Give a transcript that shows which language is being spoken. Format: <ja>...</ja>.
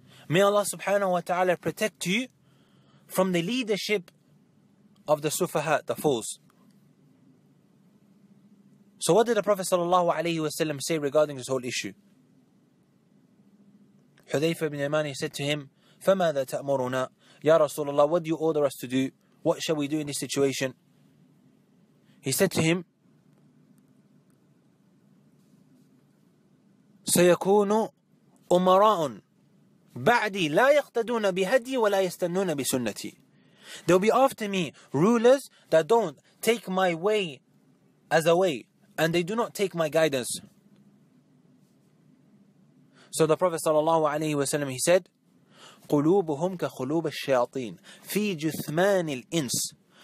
<en>May Allah subhanahu wa ta'ala protect you from the leadership of the sufaha, the fools. So what did the Prophet sallallahu alayhi wa sallam say regarding this whole issue? Hudhayfa ibn Yamani said to him,</en> <ar>فَمَاذَا تَأْمُرُنَا يَا رَسُولَ اللَّهِ.</ar> <en>What do you order us to do? What shall we do in this situation? He said to him,</en> <ar>سَيَكُونُ أُمَرَاءٌ بَعْدِي لَا يَقْتَدُونَ بِهَدِي وَلَا يَسْتَنُونَ بِسُنَّتِي.</ar> <en>They will be after me rulers that don't take my way as a way, and they do not take my guidance. So the Prophet sallallahu alayhi wa sallam, he said,</en> <ar>قُلُوبُهُمْ كَخُلُوبَ الشَّيَاطِينَ فِي جُثْمَانِ الْإِنْسِ.</ar>